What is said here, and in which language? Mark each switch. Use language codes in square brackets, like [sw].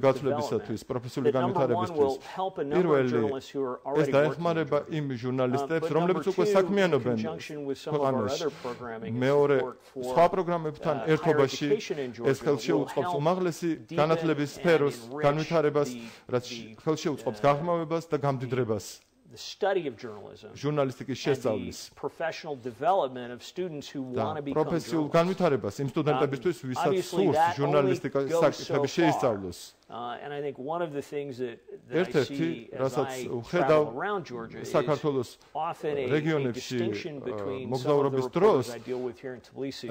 [ka] გაცვლებისათვის, პროფესიული განვითარებისთვის. პირველი, ეს დაეხმარება იმ ჟურნალისტებს, რომლებიც უკვე საქმიანობენ ქვეყანაში. მეორე, სხვა პროგრამებთან ერთობაში ეს ხელშეუწყობს უმაღლესი განათლების სფეროს განვითარებას, რაც ხელშეუწყობს გაღრმავებას და გამდიდრებას. [en] The study of journalism and the professional development of students who want to become [ka] professional განვითარებას იმ სტუდენტებისთვის, ვისაც სურს ჟურნალისტიკაში საკითხები შეისწავლოს. [en] And I think one of the things that I see as I travel around Georgia is often a distinction between some of the reporters I deal with here in Tbilisi